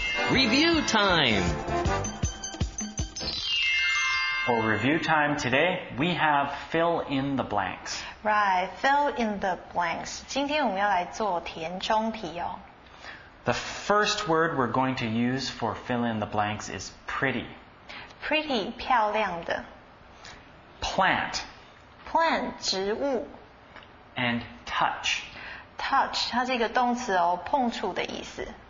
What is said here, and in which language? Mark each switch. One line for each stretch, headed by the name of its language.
English: Review time. For review time today, we have fill in the blanks. Right, fill in the blanks.
Chinese: 今天我们要来做填充题哦。
English: The first word we're going to use for fill in the blanks is pretty.
Chinese: Pretty, 漂亮的。
English: Plant.
Chinese: Plant, 植物。
English: And touch.
Chinese: Touch, 它是一个动词哦，碰触的意思。